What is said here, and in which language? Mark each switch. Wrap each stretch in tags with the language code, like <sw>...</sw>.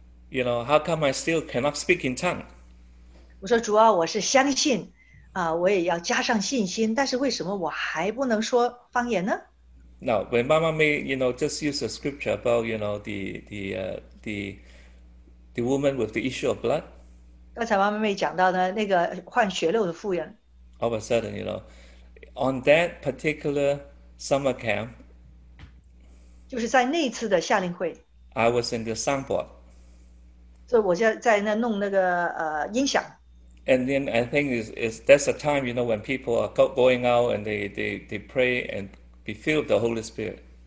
<en>You know, how come I still cannot speak in tongue?</en> <zh>我说主啊，我是相信，我也要加上信心，但是为什么我还不能说方言呢？</zh> <en>Now, when Mama May, you know, just use a scripture about, you know, the woman with the issue of blood.</en> <zh>刚才妈妈妹讲到的那个患血漏的妇人。</zh> <en>All of a sudden, you know, on that particular summer camp,</en> <zh>就是在那次的夏令会,</zh> <en>I was in the soundboard.</en> <zh>所以我在那弄那个, 音响。</zh> <en>And then I think is that's the time, you know, when people are going out and they pray and be filled with the Holy Spirit.</en>